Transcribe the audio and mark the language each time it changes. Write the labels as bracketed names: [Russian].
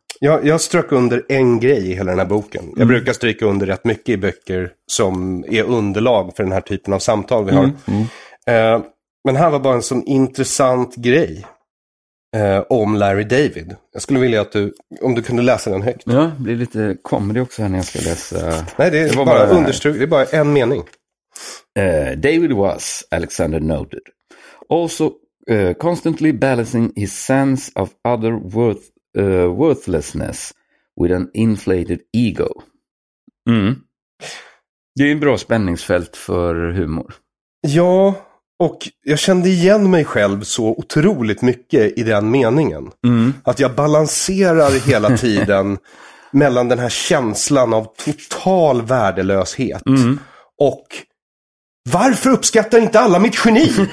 [Swedish] Jag strök under en grej i hela den här boken. Jag brukar stryka under rätt mycket i böcker som är underlag för den här typen av samtal vi har. Men här var bara en sån intressant grej om Larry David. Jag skulle vilja att om du kunde läsa den högt. Ja, blir lite comedy också här när jag ska läsa. Nej, det är bara understruket. Det är bara en mening. [English] David was, Alexander noted, also constantly balancing his sense of other worthlessness with an inflated ego. [Swedish] Det är en bra spänningsfält för humor. Ja, och jag kände igen mig själv så otroligt mycket i den meningen. Att jag balanserar hela tiden mellan den här känslan av total värdelöshet och varför uppskattar inte alla mitt geni?